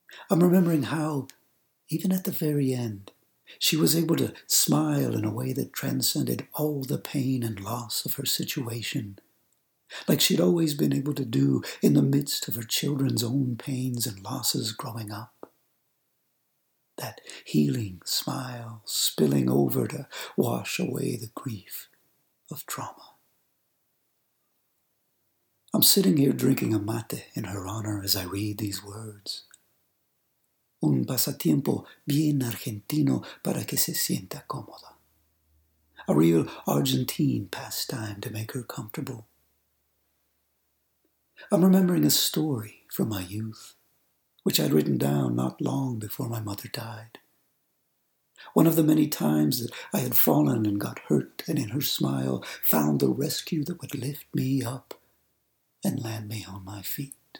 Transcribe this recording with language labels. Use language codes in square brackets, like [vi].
[en] I'm remembering how, even at the very end, she was able to smile in a way that transcended all the pain and loss of her situation, like she'd always been able to do in the midst of her children's own pains and losses growing up. That healing smile spilling over to wash away the grief of trauma. I'm sitting here drinking a mate in her honor as I read these words. [es] Un pasatiempo bien argentino para que se sienta cómoda. [en] A real Argentine pastime to make her comfortable. I'm remembering a story from my youth, which I'd written down not long before my mother died. One of the many times that I had fallen and got hurt and in her smile found the rescue that would lift me up and land me on my feet.